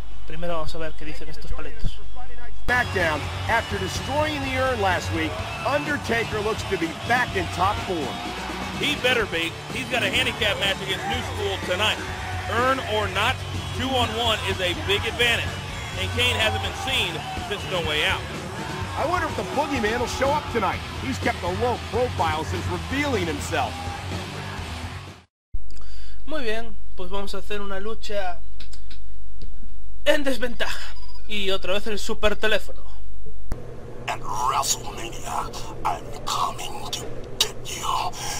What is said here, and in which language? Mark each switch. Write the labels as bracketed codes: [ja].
[es] Primero vamos a ver qué dicen estos paletos. [en] SmackDown, after destroying the urn last week, Undertaker looks to be back in top form. He better be. He's got a handicap match against New School tonight. Urn or not, 2-on-1 is a big advantage. And Kane hasn't been seen since No Way Out. I wonder if the Boogeyman will show up tonight. He's kept a low profile since revealing himself. [es] Muy bien, pues vamos a hacer una lucha en desventaja. Y otra vez el super teléfono. [en] At WrestleMania, I'm coming to get you.